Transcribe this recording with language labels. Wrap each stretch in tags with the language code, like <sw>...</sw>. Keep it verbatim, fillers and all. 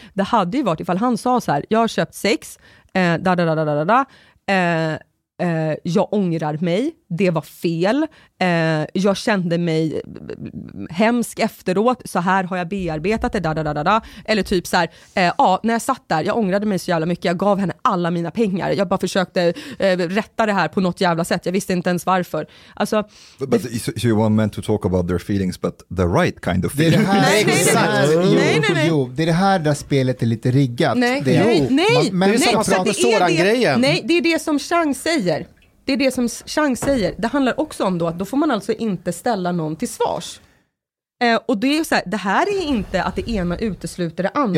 <sv>Det hade ju varit ifall han sa så här, jag har köpt sex, eh, da, da, da, da, da, da, eh, eh, jag ångrar mig, det var fel, eh, jag kände mig hemsk efteråt, så här har jag bearbetat det, da, da, da, da. Eller typ så här, eh, ja, när jag satt där, jag ångrade mig så jävla mycket, jag gav henne alla mina pengar, jag bara försökte eh, rätta det här på något jävla sätt, jag visste inte ens varför. Alltså,</sv> <en>but, but</en> <sv>det,</sv> <en>so you weren't meant to talk about their feelings, but the right kind of feelings.</en> <sv>Nej, nej, nej. Det är det här där spelet är lite riggat. Nej, det är, nej, nej. Man, det är samma prat med Soran-grejen. Nej, det är det som Chang säger. Det är det som Chang säger. Det handlar också om då att då får man alltså inte ställa någon till svars. Eh, och det är ju så här, det här är inte att det ena utesluter det andra.</sv>